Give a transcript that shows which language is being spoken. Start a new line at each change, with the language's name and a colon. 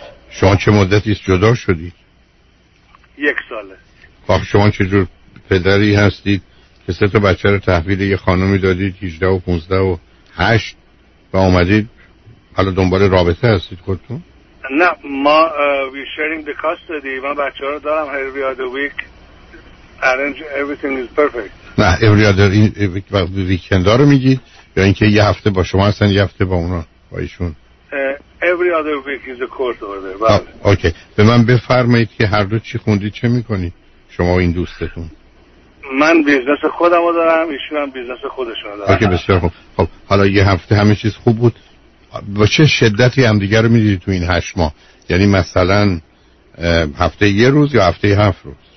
Persian: شما چه مدتی است جدا شدید؟ یک ساله. خب شما چه جور پدری هستید که سه تا بچه رو تحویل یه خانومی دادید 18 و 15 و 8 و اومدید حالا دنبال رابطه هستید خودتون؟ نه، ما
English: we sharing the cost
Persian: دادی، من بچه رو دارم،
English: every other week arrange everything is perfect.
Persian: نه
English: every other weekend
Persian: ها رو میگید یا اینکه یه هفته با شما هستن یه هفته با اونا با ایشون؟
English: Every other week is a court order.
Persian: اوکی، به من بفرمایید که هر دو چی خوندید چه میکنید شما و این دوستتون؟ من بیزنس خودم رو دارم، ایشون هم بیزنس خودشون رو دارم. اوکی بسیار خوب. خب حالا یه هفته همه چیز خوب بود، با چه شدتی همدیگر رو میدید تو این 8 ماه؟ یعنی مثلا هفته یه روز یا هفته 7 روز؟